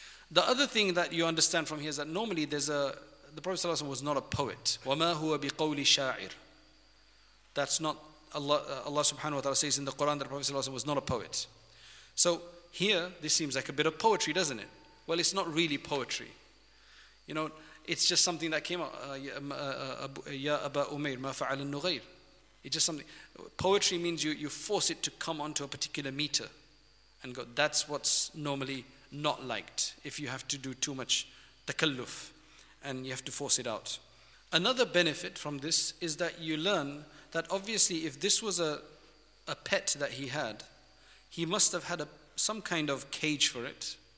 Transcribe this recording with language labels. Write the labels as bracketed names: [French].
[English] The other thing that you understand from here is that normally the Prophet ﷺ was not a poet. [Arabic] وَمَا هُوَ بِقَوْلِ شَاعِرٍ. [English] That's not Allah subhanahu wa ta'ala says in the Quran that the Prophet ﷺ was not a poet. So here, this seems like a bit of poetry, doesn't it? Well, it's not really poetry. You know, it's just something that came out. [Arabic] يَا أَبَا أُمَيْر مَا فَعَلَ النُّغَيْرِ. [English] It's just something. Poetry means you force it to come onto a particular meter. And go, that's what's normally not liked, if you have to do too much takalluf and you have to force it out. Another benefit from this is that you learn that obviously if this was a pet that he had, he must have had some kind of cage for it.